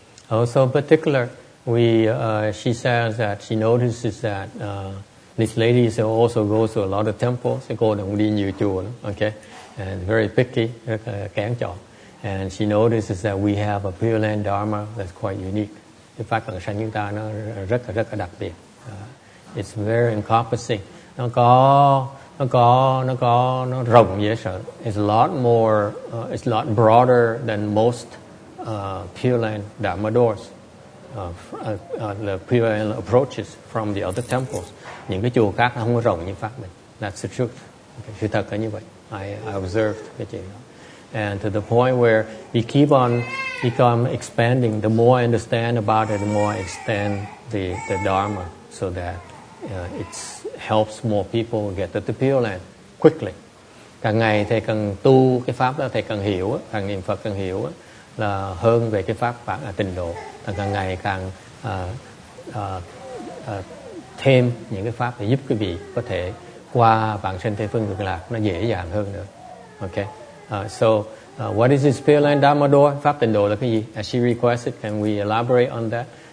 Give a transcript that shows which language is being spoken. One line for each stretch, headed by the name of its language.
English: Also in particular, she says that she notices that this lady also goes to a lot of temples.
Vietnamese: Cô này cũng đi nhiều chùa lắm, okay?
English: And very picky,
Vietnamese: rất là kén chọn.
English: And she notices that we have a Pure Land Dharma that's quite unique. The fact
Vietnamese: là sanh chúng ta nó rất là đặc biệt.
English: It's very encompassing.
Vietnamese: Nó rộng dễ sợ.
English: It's a lot broader than most Pure Land Dharma doors, the Pure Land approaches from the other temples.
Vietnamese: Những cái chùa khác không có rộng như pháp mình.
English: That's the truth.
Vietnamese: Okay. Sự thật là như vậy.
English: I observed
Vietnamese: cái chuyện đó.
English: And to the point where we keep on become expanding. The more I understand about it, the more I extend the Dharma so that it helps more people get to the Pure Land quickly.
Vietnamese: Càng ngày thầy càng tu cái pháp đó, thầy càng hiểu, càng niệm Phật càng hiểu là hơn về cái pháp bản tịnh độ, càng ngày càng thêm những cái pháp để giúp quý vị có thể qua vãng sanh Tây Phương Cực Lạc nó dễ dàng hơn nữa.
English: Okay. What is this Pure Land Dharma door?
Vietnamese: Pháp tịnh độ là cái gì?
English: As she requested, can we elaborate on that?